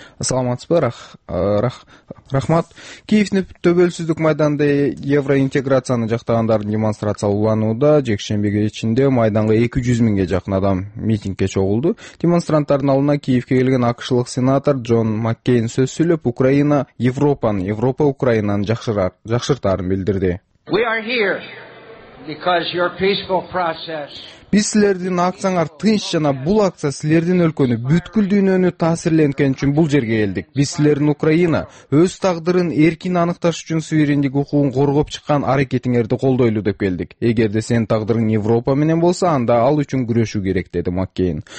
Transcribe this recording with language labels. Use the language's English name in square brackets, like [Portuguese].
[Kyrgyz] Саламатсызбы. Рахмат. Киевдин төбөлсүздүк майданында евроинтеграцияны жактагандардын демонстрациялары уланууда. Жекшемби кечинде майданга 200 миңге жакын адам митингге чогулду. Демонстранттардын алдына Киевке келген АКШлык сенатор Джон Маккейн сөз сүйлөп, Украина Европанын, Европа Украинанын жакшыртаарын билдирди. [English] We are here because your peaceful process. [Kyrgyz] Биз силердин акцияңар тынч жана бул акция силердин өлкөнү, бүткүл дүйнөнү таасирленткен үчүн бул жерге келдик. Биз силердин Украина өз тагдырын эркин аныкташ үчүн суверендик укугун коргоп чыккан аракетиңерди колдойлу деп келдик. Эгерде сенин тагдырың Европа менен болсо, анда ал үчүн күрөшүү керек, деди Маккейн.